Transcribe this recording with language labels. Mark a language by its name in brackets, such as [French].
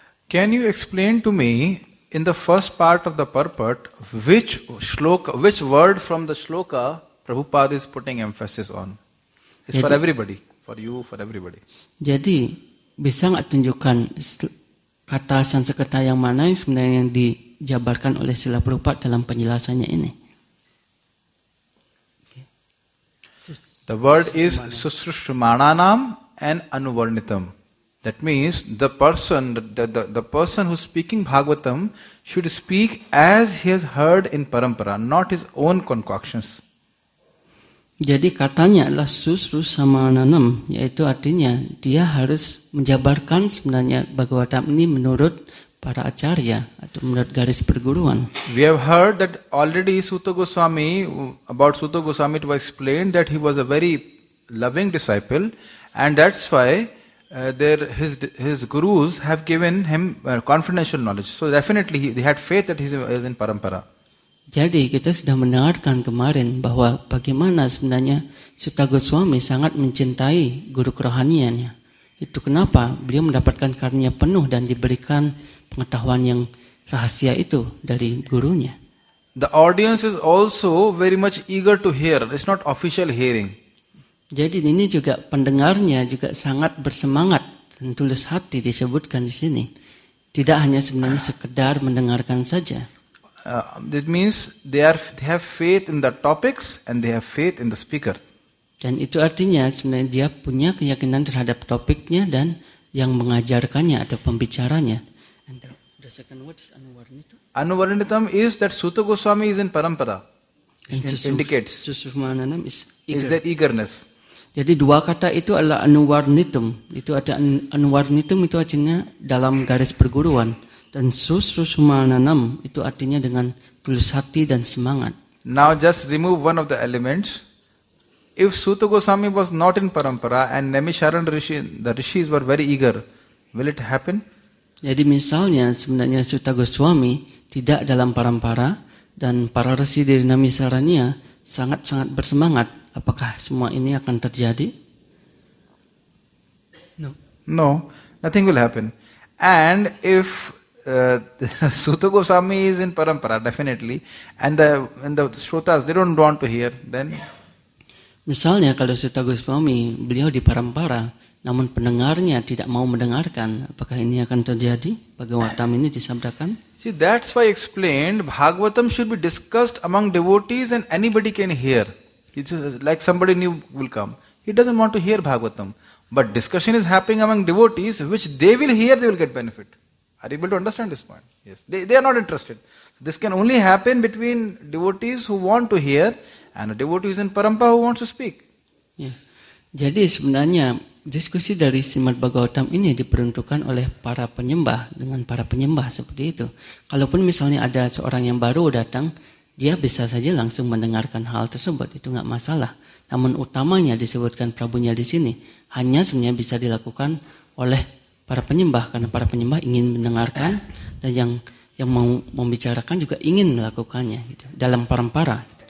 [English] Can you explain to me in the first part of the purport which shloka, which word from the shloka Prabhupada is putting emphasis on? It's for everybody, for you, for everybody. [Indonesian] Jadi, bisa enggak tunjukkan kata Sanskerta yang mana yang sebenarnya yang di jabarkan oleh Srila Prabhupada dalam penjelasannya ini. [English] The word is susrushmananam and anuvarnitam. That means the person who's speaking Bhagavatam should speak as he has heard in parampara, not his own concoctions. [Indonesian] Jadi katanya adalah susrushmananam, yaitu artinya dia harus menjabarkan sebenarnya Bhagavatam ini menurut para acharya atau menurut garis perguruan. [English] We have heard that already Suta Goswami, about Suta Goswami, it was explained that he was a very loving disciple, and that's why his gurus have given him confidential knowledge. So definitely he had faith that he is in parampara. [Indonesian] Jadi kita sudah mendengarkan kemarin bahwa bagaimana sebenarnya Suta Goswami sangat mencintai guru kerohaniannya. Itu kenapa beliau mendapatkan karunia penuh dan diberikan pengetahuan yang rahasia itu dari gurunya. [English] The audience is also very much eager to hear. It's not official hearing. [Indonesian] Jadi ini juga pendengarnya juga sangat bersemangat dan tulus hati disebutkan di sini. Tidak hanya sebenarnya sekedar mendengarkan saja. [English] That means they have faith in the topics and they have faith in the speaker. [Indonesian] Dan itu artinya sebenarnya dia punya keyakinan terhadap topiknya dan yang mengajarkannya atau pembicaranya. [English] And the second word is anuvarnitam. Anuvarnitam is that Suta Goswami is in parampara. Indicates. Susumananam is eager. Is that eagerness. [Indonesian] Jadi dua kata itu adalah anuvarnitam. Itu ada anuvarnitam itu artinya dalam garis perguruan. Dan susumananam itu artinya dengan tulus hati dan semangat. [English] Now just remove one of the elements. If Suta Goswami was not in parampara and Namisharan Rishi, the Rishis were very eager, will it happen? [Indonesian] Jadi misalnya sebenarnya Suta Goswami tidak dalam parampara dan para resi dari Namisharanya sangat-sangat bersemangat, apakah semua ini akan terjadi? [English] No. No, nothing will happen. And if Suta Goswami is in parampara, definitely, and the Shrotas, they don't want to hear, then... [Indonesian] Misalnya kalau Suta Goswami beliau di parampara, namun pendengarnya tidak mau mendengarkan, apakah ini akan terjadi? Bhagavatam ini disabdakan? [English] See, that's why explained Bhagavatam should be discussed among devotees and anybody can hear. It's like somebody new will come. He doesn't want to hear Bhagavatam. But discussion is happening among devotees, which they will hear, they will get benefit. Are you able to understand this point? Yes. They are not interested. This can only happen between devotees who want to hear and a devotee is in parampara who wants to speak. Yeah. [Indonesian] Jadi sebenarnya diskusi dari Srimad Bhagavatam ini diperuntukkan oleh para penyembah dengan para penyembah seperti itu. Kalaupun misalnya ada seorang yang baru datang, dia bisa saja langsung mendengarkan hal tersebut, itu enggak masalah. Namun utamanya disebutkan Prabhunya di sini hanya sebenarnya bisa dilakukan oleh para penyembah karena para penyembah ingin mendengarkan dan yang mau membicarakan juga ingin melakukannya gitu, dalam parampara.